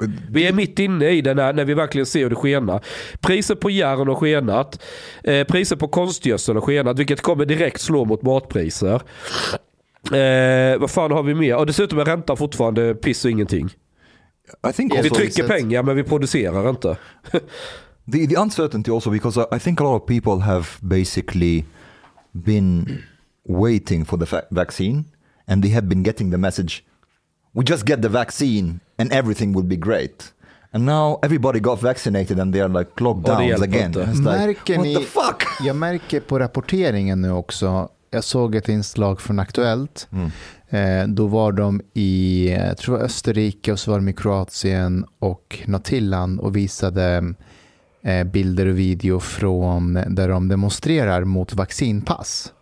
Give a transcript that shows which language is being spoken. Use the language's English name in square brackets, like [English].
[Swedish] Vi är mitt inne i den här när vi verkligen ser hur det skenar. Priser på järn har skenat. Priser på konstgödsel har skenat. Vilket kommer direkt slå mot matpriser. Vad fan har vi mer? Och dessutom är räntan fortfarande piss och ingenting. Vi trycker pengar men vi producerar inte. [English] the uncertainty also because I think a lot of people have basically been waiting for the vaccine and they have been getting the message we just get the vaccine and everything will be great. And now everybody got vaccinated and they are like locked down again. [Swedish] Märker [English] what [Swedish] ni, [English] the fuck? [Swedish] Jag märker på rapporteringen nu också. Jag såg ett inslag från Aktuellt. Mm. Då var de i, jag tror Österrike och så var de i Kroatien och något till land och visade bilder och video från där de demonstrerar mot vaccinpass.